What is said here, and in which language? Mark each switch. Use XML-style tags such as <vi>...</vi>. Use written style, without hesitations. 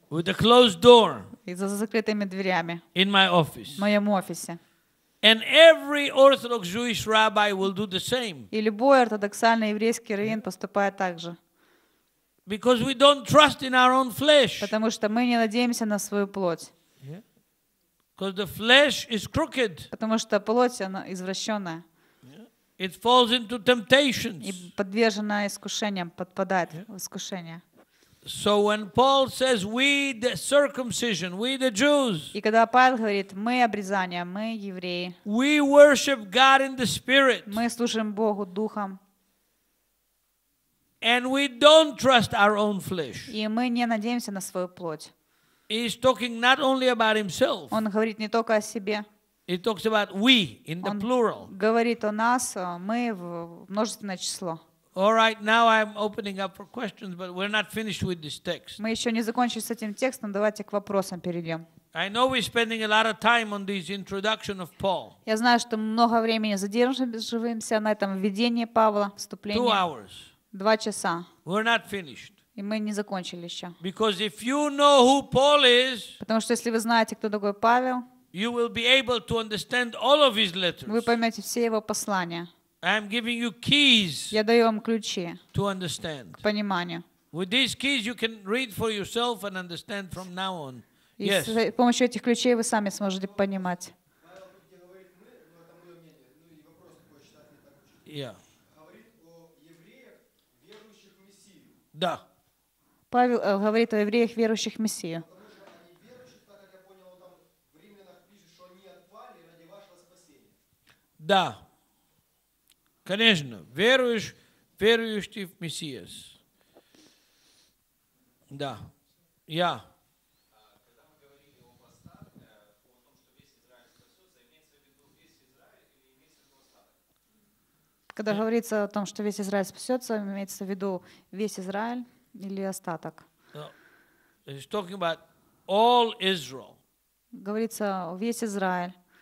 <en>With a closed door.</en> <ru>И за закрытыми дверями.</ru> <en>In my office.</en> <ru>В моем офисе.</ru> <en>And every Orthodox Jewish rabbi will do the same.</en> <ru>И любой ортодоксальный еврейский раввин поступает так же.</ru> <en>Because we don't trust in our own flesh.</en> <ru>Потому что мы не надеемся на свою плоть.</ru> <en>Because the flesh is crooked.</en> <ru>Потому что плоть, она извращенная.</ru> <en>It falls into temptations.</en> <ru>И подвержена искушениям, подпадает в искушение.</ru> <en>So when Paul says we the circumcision, we the Jews.</en> <ru>И когда Павел говорит, мы обрезание, мы евреи.</ru> <en>We worship God in the spirit.</en> <ru>Мы служим Богу духом.</ru> <en>And we don't trust our own flesh.</en> <ru>И мы не надеемся на свою плоть.</ru> <en>He's talking not only about himself.</en> <ru>Он говорит не только о себе.</ru> <en>He talks about we in the plural.</en> <ru>Он говорит о нас, мы в множественное число.</ru> <en>All right, now I'm opening up for questions, but we're not finished with this text.</en> <ru>Мы еще не закончили с этим текстом, давайте к вопросам перейдем.</ru> <en>I know we're spending a lot of time on this introduction of Paul.</en> <ru>Я знаю, что много времени задерживаемся на этом введении Павла, вступлении.</ru> <en>2 hours.</en> <ru>2 часа.</ru> <en>We're not finished.</en> <ru>И мы не закончили еще.</ru> <en>Because if you know who Paul is,</en> <ru>потому что если вы знаете, кто такой Павел,</ru> <en>you will be able to understand all of his letters.</en> <ru>Вы поймете все его послания.</ru> <en>I'm giving you keys.</en> <ru>Я даю вам ключи.</ru> <en>To understand.</en> <ru>К пониманию.</ru> <en>With these keys, you can read for yourself and understand from now on. Yes.</en> <ru>И с помощью этих ключей вы сами сможете понимать. Yeah. Да. Павел говорит о евреях, верующих в Мессию. Да. Конечно, верующий в Мессию. Да. Я. Yeah. Когда говорится о том, что весь Израиль спасется, имеется в виду весь Израиль или остаток?</ru> <en>He's talking about all Israel.</en> <ru>Говорится о весь Израиль.</ru>